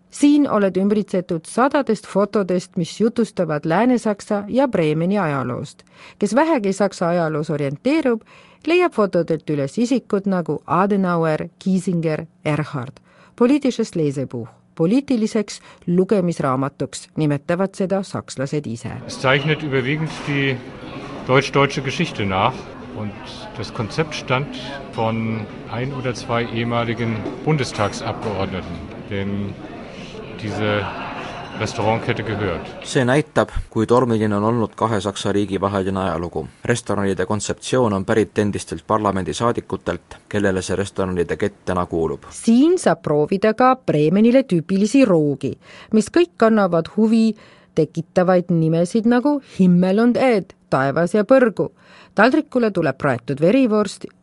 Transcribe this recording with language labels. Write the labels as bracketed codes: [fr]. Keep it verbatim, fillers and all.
[et] Siin oled ümbritsetud sadadest fotodest, mis jutustavad Lääne-Saksa ja Bremeni ajaloost. Kes vähegi Saksa ajaloos orienteerub, leiab fotodelt üles isikud nagu Adenauer, Kiesinger, Erhard. [de] Poliitisches Lesebuch, [et] poliitiliseks lugemisraamatuks, nimetavad seda sakslased ise. [de] Es zeichnet überwiegend die deutsch-deutsche Geschichte nach und das Konzept stammt von ein oder zwei ehemaligen Bundestagsabgeordneten, denen diese restaurantkette gehört. [et] See näitab, kui tormiline on olnud kahe Saksa riigi vaheline ajalugu. Restoranide kontseptsioon on pärit endistelt parlamendisaadikutelt, kellele see restoranide kett täna kuulub. Siin saab proovida ka Bremenile tüüpilisi roogi, mis kõik annavad huvi tekitavaid nimesid nagu Himmel und Ed, taevas ja põrgu. Taldrikule tuleb praetud verivorst